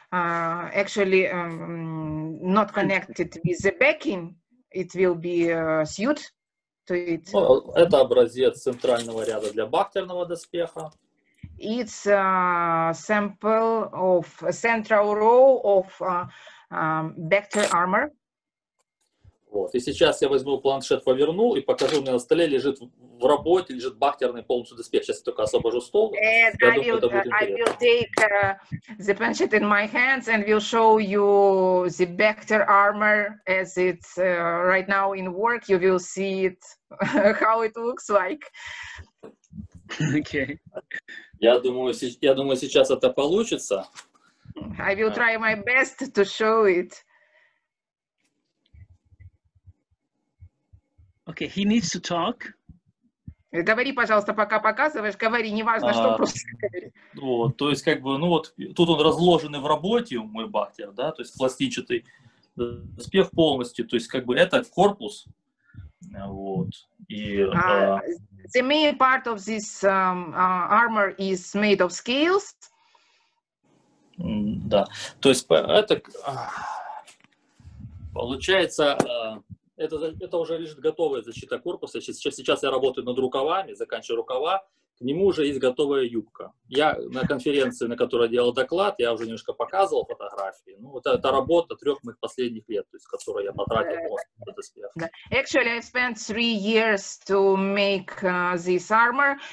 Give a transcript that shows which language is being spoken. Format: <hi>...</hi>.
<en>It's actually not connected with the backing, it will be sewed to it.</en> <ru>Ну, это образец центрального ряда для бахтерного доспеха.</ru> <en>It's a sample of a central row of Bechter armor.</en> <ru>Вот, и сейчас я возьму планшет, поверну и покажу, у меня на столе лежит в работе, лежит бахтерный полностью доспех. Сейчас я только освобожу стол.</ru> <en>And I will take the planchet in my hands and will show you the Bechter armor as it's right now in work. You will see it, how it looks like. Okay.</en> <ru>Я думаю, сейчас это получится.</ru> <en>I will try my best to show it. Okay, he needs to talk.</en> <ru>Говори, пожалуйста, пока показываешь, говори, неважно, что просто говори. Вот, то есть, как бы, ну вот, тут он разложенный в работе, мой бахтер, да, то есть пластичатый доспех полностью, то есть, как бы, это корпус, вот, и...</ru> <en>The main part of this armor is made of scales.</en> <ru>Да, то есть это получается, это уже лежит готовая защита корпуса. Сейчас я работаю над рукавами, заканчиваю рукава, к нему уже есть готовая юбка. Я на конференции, на которой я делал доклад, я уже немножко показывал фотографии. Ну, вот это работа трех моих последних лет, то есть, которые я потратил на этот успех.</ru> <en>Actually, I spent 3 years to make this armor.</en>